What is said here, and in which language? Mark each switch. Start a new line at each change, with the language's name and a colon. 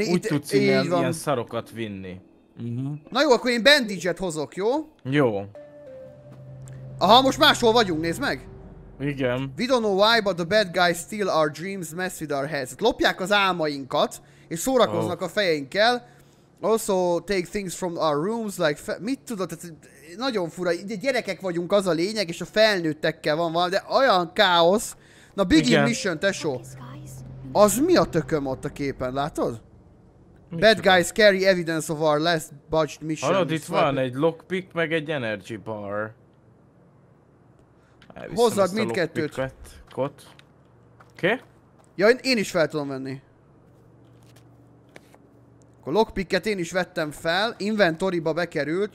Hungarian: úgy tudsz ilyen szarokat vinni. Na jó, akkor én bandage-et hozok, jó? Jó. Aha, most máshol vagyunk, nézd meg. Igen.
English: We don't know why, but the bad guys steal our dreams, mess with our heads.
Hungarian: Lopják az álmainkat, és szórakoznak a fejeinkkel.
English: Also take things from our rooms, like...
Hungarian: Mit tudod? Nagyon fura. Gyerekek vagyunk, az a lényeg, és a felnőttekkel van valami, de olyan káosz. Na,
English: begin mission,
Hungarian: tesó. Az mi a tököm ott a képen, látod?
English: Bad guys carry evidence of our last budged mission.
Hungarian: Hallod, itt van egy lockpick, meg egy energy bar. Hozzad mindkettőt. Kot. Oké? Okay. Ja, én is fel tudom venni. Akkor lockpicket én is vettem fel, inventoryba bekerült.